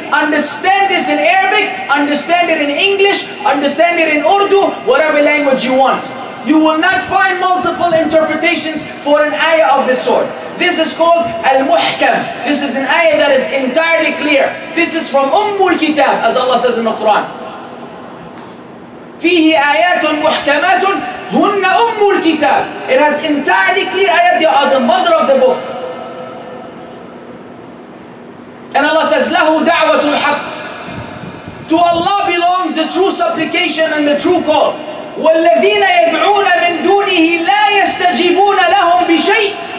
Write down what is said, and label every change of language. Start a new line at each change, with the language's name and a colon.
English: Understand this in Arabic, understand it in English, understand it in Urdu, whatever language you want. You will not find multiple interpretations for an ayah of this sort. This is called Al-Muhkam. This is an ayah that is entirely clear. This is from Ummul Kitab, as Allah says in the Quran.
Arabic: فِيهِ آيَاتٌ مُحْكَمَاتٌ هُنَّ أُمُّ الْكِتَابِ.
English: It has entirely clear ayat, they are the mother of the book. And Allah says,
Arabic: لَهُ دَعْوَةُ الْحَقِّ.
English: To Allah belongs the true supplication and the true call.
Arabic: وَالَّذِينَ يَدْعُونَ مِن دُونِهِ لَا يَسْتَجِبُونَ لَهُمْ بِشَيْءٍ.